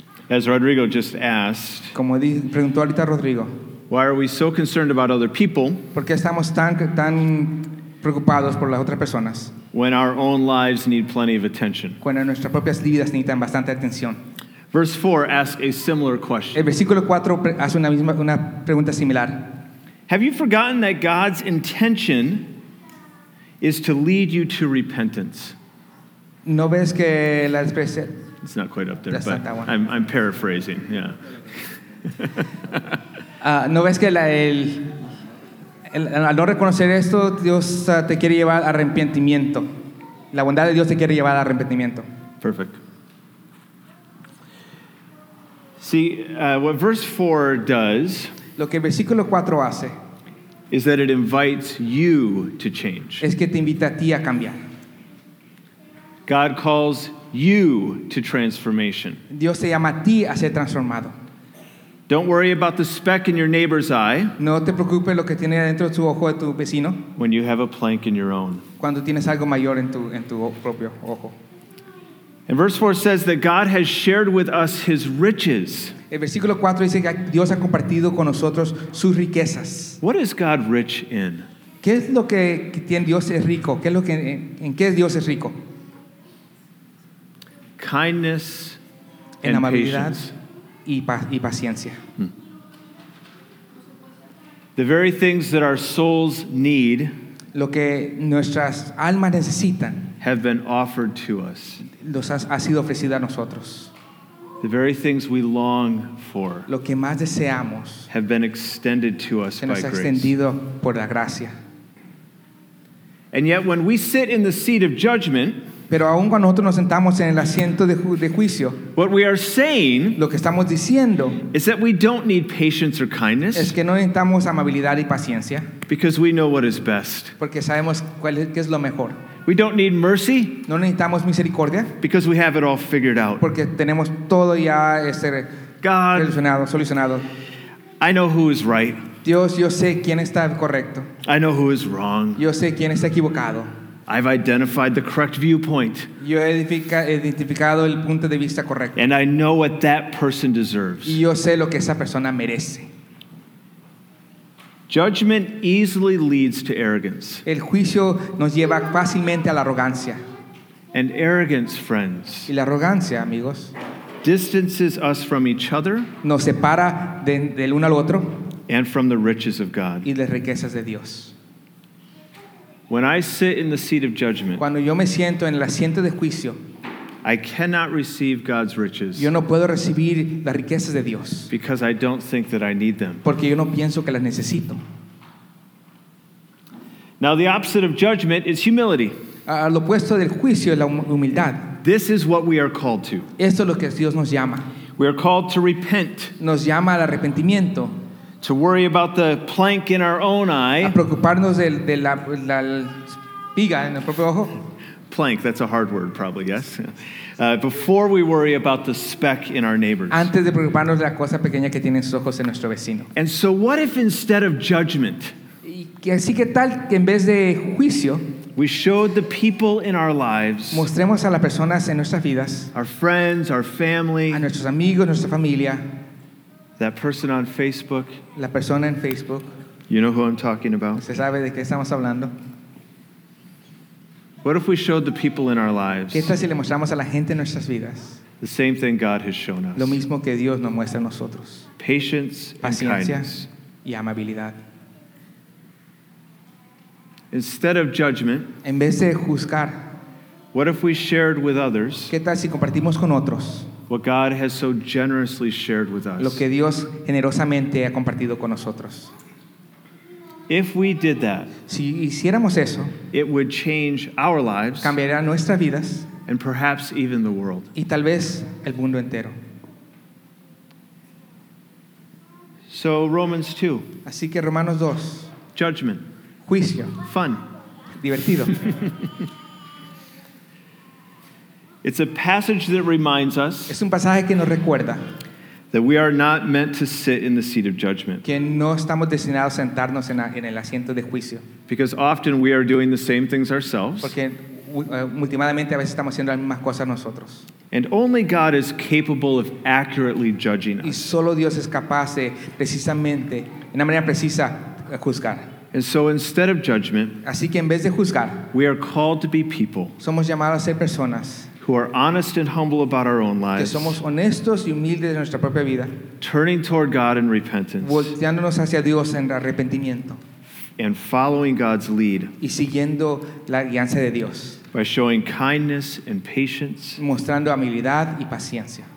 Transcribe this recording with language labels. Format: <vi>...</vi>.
<en>As Rodrigo just asked,</en> <es>como preguntó ahorita Rodrigo,</es> <en>why are we so concerned about other people?</en> <es>¿Por qué estamos tan preocupados por las otras personas?</es> <en>When our own lives need plenty of attention.</en> <es>Cuando nuestras propias vidas necesitan bastante atención.</es> <en>Verse 4 asks a similar question.</en> <es>El versículo 4 hace una pregunta similar.</es> <en>Have you forgotten that God's intention is to lead you to repentance?</en> <es>¿No ves que la expresa?</es> <en>It's not quite up there, that's but that one. I'm paraphrasing. Yeah.</en> <es>¿No ves que al no reconocer esto, Dios te quiere llevar a arrepentimiento? La bondad de Dios te quiere llevar a arrepentimiento.</es> <en>Perfect. See, what verse 4 does,</en> <es>lo que el versículo 4 hace,</es> <en>is that it invites you to change.</en> <es>Es que te invita a ti a cambiar.</es> <en>God calls you to transformation.</en> <es>Dios te llama a ti a ser transformado.</es> <en>Don't worry about the speck in your neighbor's eye.</en> <es>No te preocupes lo que tiene dentro de tu ojo de tu vecino.</es> <en>When you have a plank in your own.</en> <es>Cuando tienes algo mayor en tu propio ojo.</es> <en>And verse 4 says that God has shared with us His riches.</en> <es>El versículo 4 dice que Dios ha compartido con nosotros sus riquezas.</es> <en>What is God rich in?</en> <es>¿Qué es lo que tiene Dios es rico? ¿Qué es lo que en qué Dios es rico?</es> <en>Kindness</en> <es>en amabilidad</es> <en>patience.</en> <es>Y paciencia.</es> <en>The very things that our souls need,</en> <es>lo que nuestras almas necesitan,</es> <en>have been offered to us.</en> <es>Los ha sido ofrecido a nosotros.</es> <en>The very things we long for,</en> <es>lo que más deseamos,</es> <en>have been extended to us</en> <es>se nos</es> <en>by</en> <es>ha extendido</es> <en>grace.</en> <es>Por la gracia.</es> <en>And yet, when we sit in the seat of judgment,</en> <es>pero aun cuando nosotros nos sentamos en el asiento de juicio,</es> <en>what we are saying,</en> <es>lo que estamos diciendo,</es> <en>is that we don't need patience or kindness,</en> <es>es que no necesitamos amabilidad y paciencia,</es> <en>because we know what is best,</en> <es>porque sabemos cuál es, qué es lo mejor.</es> <en>We don't need mercy,</en> <es>no necesitamos misericordia,</es> <en>because we have it all figured out,</en> <es>porque tenemos todo ya</es> <en>God,</en> <es>solucionado.</es> <en>I know who is right.</en> <es>Dios, yo sé quién está correcto.</es> <en>I know who is wrong.</en> <es>Yo sé quién está equivocado.</es> <en>I've identified the correct viewpoint.</en> <es>Yo he identificado el punto de vista correcto.</es> <en>And I know what that person deserves.</en> <es>Y yo sé lo que esa persona merece.</es> <en>Judgment easily leads to arrogance.</en> <es>El juicio nos lleva fácilmente a la arrogancia.</es> <en>And arrogance, friends,</en> <es>y la arrogancia, amigos,</es> <en>distances us from each other,</en> <es>nos separa del uno al otro,</es> <en>and from the riches of God.</en> <es>Y las riquezas de Dios.</es> <en>When I sit in the seat of judgment,</en> <es>cuando yo me siento en el asiento de juicio,</es> <en>I cannot receive God's riches.</en> <es>Yo no puedo recibir las riquezas de Dios.</es> <en>Because I don't think that I need them.</en> <es>Porque yo no pienso que las necesito.</es> <en>Now the opposite of judgment is humility.</en> <es>Lo opuesto del juicio es la humildad.</es> <en>This is what we are called to.</en> <es>Esto es lo que Dios nos llama.</es> <en>We are called to repent.</en> <es>Nos llama al arrepentimiento.</es> <en>To worry about the plank in our own eye.</en> <es>A preocuparnos de la espiga en el propio ojo.</es> <en>Plank, that's a hard word probably, yes. Before we worry about the speck in our neighbors.</en> <es>Antes de preocuparnos de la cosa pequeña que tienen sus ojos en nuestro vecino.</es> <en>And so what if instead of judgment,</en> <es>así que tal que en vez de juicio,</es> <en>we showed the people in our lives,</en> <es>mostremos a las personas en nuestras vidas,</es> <en>our friends, our family,</en> <es>a nuestros amigos, nuestra familia,</es> <en>that person on Facebook,</en> <es>la persona en Facebook,</es> <en>you know who I'm talking about.</en> <es>Se sabe de qué estamos hablando.</es> <en>What if we showed the people in our lives,</en> <es>¿qué tal si le mostramos a la gente en nuestras vidas,</es> <en>the same thing God has shown us,</en> <es>lo mismo que Dios nos muestra a nosotros,</es> <en>patience,</en> <es>paciencia</es> <en>and kindness,</en> <es>y amabilidad.</es> <en>Instead of judgment,</en> <es>en vez de juzgar,</es> <en>what if we shared with others,</en> <es>¿qué tal si compartimos con otros,</es> <en>what God has so generously shared with us,</en> <es>lo que Dios generosamente ha compartido con nosotros?</es> <en>If we did that,</en> <es>si hiciéramos eso,</es> <en>it would change our lives,</en> <es>cambiaría nuestras vidas,</es> <en>and perhaps even the world,</en> <es>y tal vez el mundo entero.</es> <en>So Romans 2,</en> <es>así que Romanos 2,</es> <en>judgment,</en> <es>juicio,</es> <en>fun,</en> <es>divertido.</es> <en>It's a passage that reminds us,</en> <es>es un pasaje que nos recuerda,</es> <en>that we are not meant to sit in the seat of judgment,</en> <es>que no estamos destinados a sentarnos en el asiento de juicio,</es> <en>because often we are doing the same things ourselves,</en> <es>porque últimamente a veces estamos haciendo las mismas cosas nosotros,</es> <en>and only God is capable of accurately judging us,</en> <es>y solo Dios es capaz de precisamente en una manera precisa juzgar.</es> <en>And so instead of judgment,</en> <es>así que en vez de juzgar,</es> <en>we are called to be people,</en> <es>somos llamados a ser personas,</es> <en>who are honest and humble about our own lives,</en> <es>que somos honestos y humildes de nuestra propia vida,</es> <en>turning toward God in repentance,</en> <es>volteándonos hacia Dios en arrepentimiento,</es> <en>and following God's lead,</en> <es>y siguiendo la guianza de Dios,</es> <en>by showing kindness and patience,</en> <es>mostrando amabilidad y paciencia,</es>